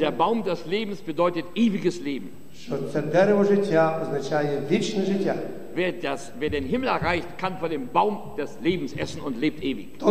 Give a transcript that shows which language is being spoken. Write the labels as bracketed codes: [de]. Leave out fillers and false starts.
[de] Der Baum des Lebens bedeutet ewiges Leben. [uk] Що це дерево життя означає вічне життя. [de] Wer den Himmel erreicht, kann von dem Baum des Lebens essen und lebt ewig.